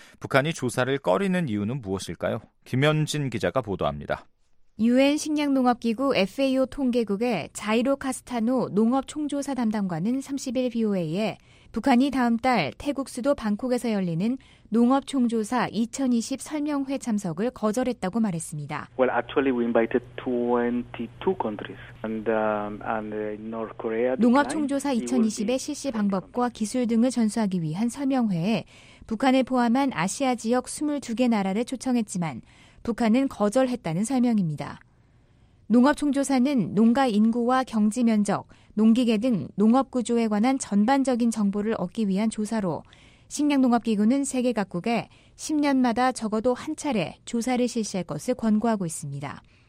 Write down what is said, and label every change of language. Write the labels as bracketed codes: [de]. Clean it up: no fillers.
[ko] 북한이 조사를 꺼리는 이유는 무엇일까요? 김현진 기자가 보도합니다. 유엔 식량농업기구 FAO 통계국의 자이로 카스타노 농업 총조사 담당관은 30일 VOA에 북한이 다음 달 태국 수도 방콕에서 열리는 농업 총조사 2020 설명회 참석을 거절했다고 말했습니다. [en] Well, actually we invited 22 countries and North Korea. [ko] 농업 총조사 2020의 실시 방법과 기술 등을 전수하기 위한 설명회에 북한을 포함한 아시아 지역 22개 나라를 초청했지만 북한은 거절했다는 설명입니다. 농업총조사는 농가 인구와 경지 면적, 농기계 등 농업 구조에 관한 전반적인 정보를 얻기 위한 조사로 식량농업기구는 세계 각국에 10년마다 적어도 한 차례 조사를 실시할 것을 권고하고 있습니다.